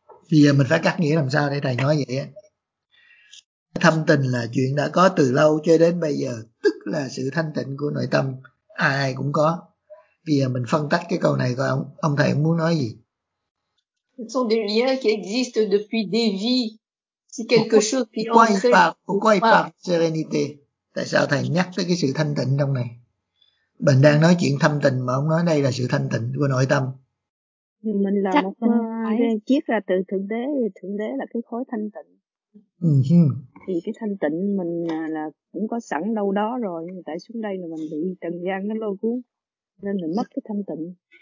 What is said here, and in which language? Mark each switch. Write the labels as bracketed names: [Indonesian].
[Vietnamese] Bây giờ mình phải cắt nghĩa làm sao để thầy nói vậy á. Thâm tình là chuyện đã có từ lâu cho đến bây giờ, tức là sự thanh tịnh của nội tâm ai ai cũng có. Bây giờ mình phân tách cái câu này coi ông thầy muốn nói gì. [French] Ce sont des liens qui existent depuis des vies. C'est quelque chose qui pourquoi il parle de sérénité? [Vietnamese] Tại sao thầy nhắc tới cái sự thanh tịnh trong này? Mình đang nói chuyện thâm tình mà ông nói đây là sự thanh tịnh của nội tâm. Mình là chắc một phải... chiếc ra từ thượng đế, thì thượng đế là cái khối thanh tịnh. Thì cái thanh tịnh mình là cũng có sẵn đâu đó rồi, nhưng tại xuống đây là mình bị trần gian nó lôi cuốn nên mình mất cái thanh tịnh.